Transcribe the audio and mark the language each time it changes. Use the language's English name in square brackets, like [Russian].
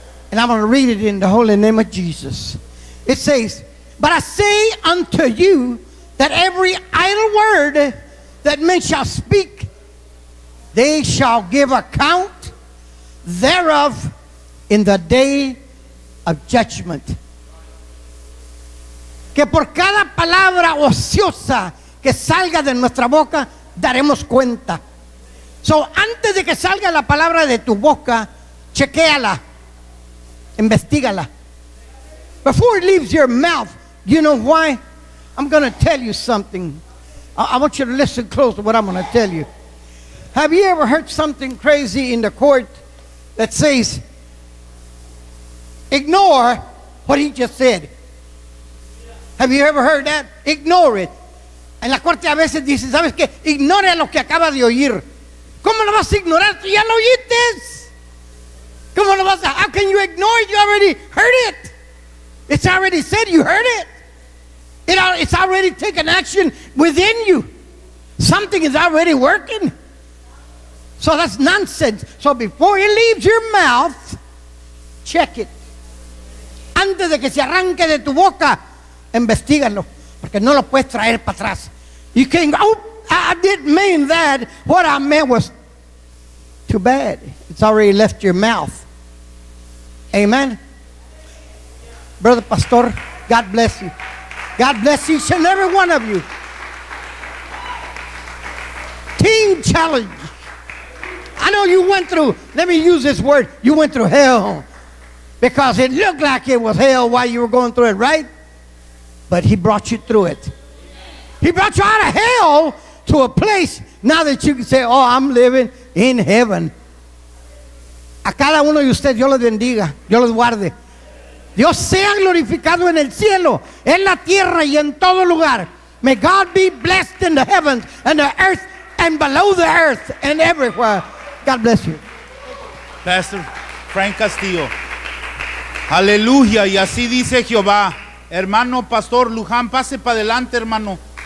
[English] And I'm going to read it in the holy name of Jesus. It says, but I say unto you that every idle word that men shall speak, they shall give account thereof in the day of judgment. [Spanish] Que por cada palabra ociosa que salga de nuestra boca, daremos cuenta. So, antes de que salga la palabra de tu boca, chequéala, investigala. [English] Before it leaves your mouth, you know why? I'm going to tell you something. I want you to listen close to what I'm going to tell you. Have you ever heard something crazy in the court that says, ignore what he just said? Have you ever heard that? Ignore it. [Spanish] En la corte a veces dicen, ¿sabes qué? Ignore lo que acaba de oír. ¿Cómo lo vas a ignorar? ¿Tú ya lo oíste? ¿Cómo lo vas a... [English] How can you ignore it? You already heard it. It's already said, you heard it. It's already taken action within you. Something is already working. So that's nonsense. So before it leaves your mouth, check it. [Spanish] Antes de que se arranque de tu boca, investigalo, porque no lo puedes traer para atrás. [English] You can't go, oh, I didn't mean that. What I meant was too bad. It's already left your mouth. Amen. Brother Pastor, God bless you. God bless each and every one of you. Teen challenge. I know you went through, let me use this word, you went through hell. Because it looked like it was hell while you were going through it, right? But he brought you through it. He brought you out of hell to a place now that you can say, oh, I'm living in heaven. [Spanish] A cada uno de ustedes, Dios los bendiga, Dios los guarde. Dios sea glorificado en el cielo, en la tierra y en todo lugar. [English] May God be blessed in the heavens and the earth and below the earth and everywhere. God bless you. [Spanish] Pastor Frank Castillo. Aleluya. Y así dice Jehová. Hermano Pastor Luján, pase para adelante, hermano.